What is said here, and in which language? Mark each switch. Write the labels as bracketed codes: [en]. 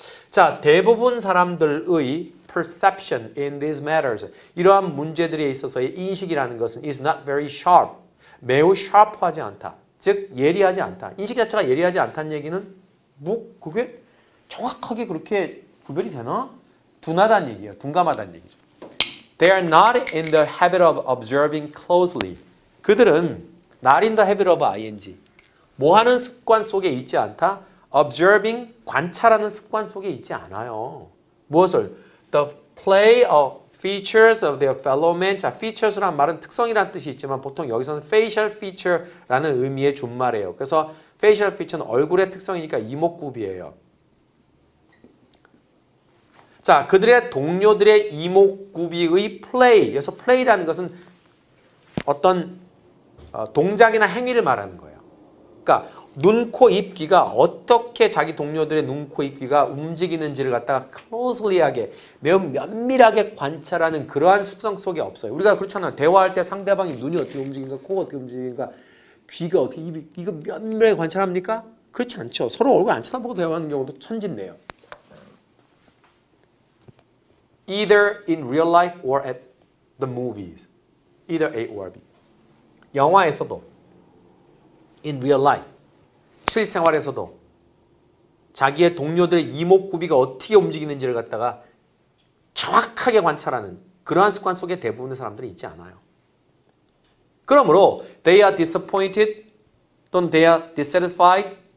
[ko] 자, 대부분 사람들의 [en] perception in these matters. [ko] 이러한 문제들에 있어서의 인식이라는 것은 [en] is not very sharp. [ko] 매우 sharp하지 않다. 즉, 예리하지 않다. 인식 자체가 예리하지 않다는 얘기는 뭐, 그게 정확하게 그렇게 구별이 되나? 둔하다는 얘기예요. 둔감하다는 얘기죠. [en] They are not in the habit of observing closely. [ko] 그들은 [en] not in the habit of ing. [ko] 뭐 하는 습관 속에 있지 않다? Observing, 관찰하는 습관 속에 있지 않아요. 무엇을? [en] The play of features of their fellow men. [ko] 자, features란 말은 특성이란 뜻이 있지만 보통 여기서는 [en] facial feature [ko] 라는 의미의 준말이에요. 그래서 facial feature는 얼굴의 특성이니까 이목구비예요. 자, 그들의 동료들의 이목구비의 play. 여기서 play라는 것은 어떤 동작이나 행위를 말하는 거예요. 그러니까 눈, 코, 입, 귀가 어떻게 자기 동료들의 눈, 코, 입, 귀가 움직이는지를 갖다가 closely하게 매우 면밀하게 관찰하는 그러한 습성 속에 없어요. 우리가 그렇잖아요. 대화할 때 상대방이 눈이 어떻게 움직인가, 코가 어떻게 움직인가, 귀가 어떻게 입이 이거 면밀하게 관찰합니까? 그렇지 않죠. 서로 얼굴 안 쳐다보고 대화하는 경우도 천진네요. [en] Either in real life or at the movies. Either A or B. [ko] 영화에서도 [en] in real life [ko] 실생활에서도 자기의 동료들의 이목구비가 어떻게 움직이는지를 갖다가 정확하게 관찰하는 그러한 습관 속에 대부분의 사람들이 있지 않아요. 그러므로 [en] they are disappointed [ko] 또는 [en] they are dissatisfied.